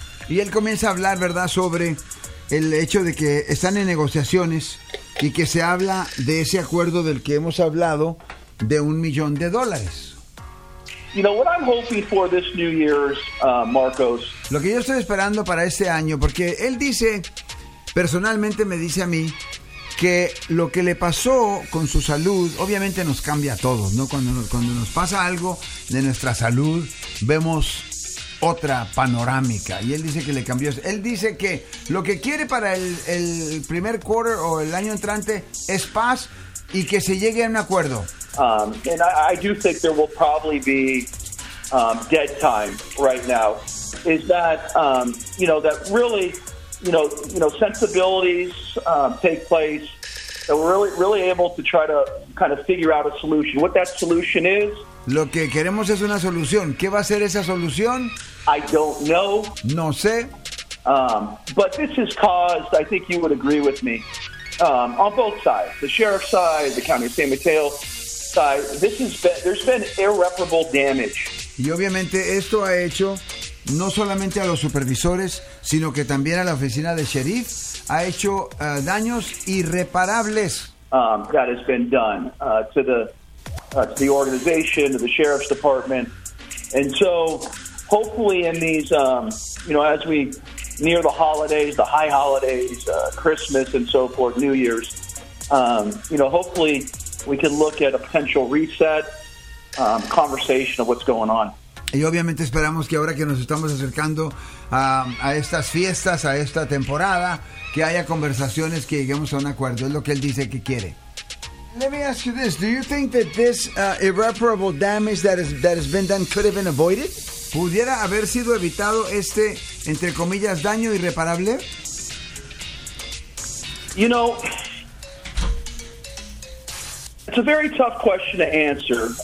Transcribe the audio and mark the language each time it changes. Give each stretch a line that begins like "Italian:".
Spanish: Y él comienza a hablar, ¿verdad?, sobre el hecho de que están en negociaciones y que se habla de ese acuerdo del que hemos hablado de $1,000,000.
English: You know, what I'm hoping for this New Year's, Marcos...
Spanish: Lo que yo estoy esperando para este año, porque él dice, personalmente me dice a mí, que lo que le pasó con su salud, obviamente nos cambia a todos, ¿no? Cuando nos pasa algo de nuestra salud, vemos otra panorámica. Y él dice que le cambió. Él dice que lo que quiere para el primer quarter o el año entrante es paz y que se llegue a un acuerdo.
English: And I do think there will probably be dead time right now. Is that, you know, that really, you know, sensibilities take place, that we're really, really able to try to kind of figure out a solution. What that solution is.
Spanish: Lo que queremos es una solución. ¿Qué va a ser esa solución?
English: I don't know.
Spanish: No sé.
English: But this has caused, I think you would agree with me, on both sides, the sheriff's side, the county of San Mateo side, this has been, there's been irreparable damage.
Spanish: Y obviamente esto ha hecho, no solamente a los supervisores, sino que también a la oficina de sheriff, ha hecho daños irreparables.
English: That has been done to the organization, to the sheriff's department. And so hopefully in these, you know, as we near the holidays, the high holidays, Christmas and so forth, New Year's, you know, hopefully we can look at a potential reset, conversation of what's going on.
Spanish: Y obviamente esperamos que ahora que nos estamos acercando a estas fiestas, a esta temporada, que haya conversaciones, que lleguemos a un acuerdo. Es lo que él dice que quiere.
English: Let me ask you this. Do you think that this irreparable damage that has been done could have been avoided?
Spanish: ¿Pudiera haber sido evitado este, entre comillas, daño irreparable?
English: You know, it's a very tough question to answer.